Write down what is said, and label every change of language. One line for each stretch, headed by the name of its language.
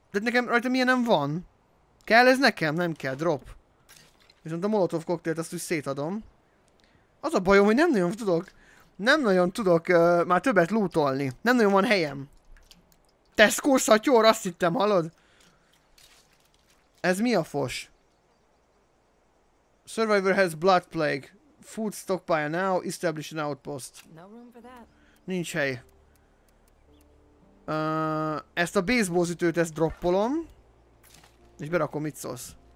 Hungarian: De nekem rajta milyen nem van? Kell ez nekem? Nem kell. Drop. Viszont a Molotov koktélt azt úgy szétadom. Az a bajom, hogy nem nagyon tudok... Nem nagyon tudok már többet lootolni. Nem nagyon van helyem. Tesco szatyor, azt hittem, hallod? Ez mi a fos?
English: Survivor has blood plague. Food stockpile now, establish an outpost. No room for that.
Hungarian: Nincs hely. Ezt a baseball zütőt, ezt droppolom. És berakom, mit szólsz?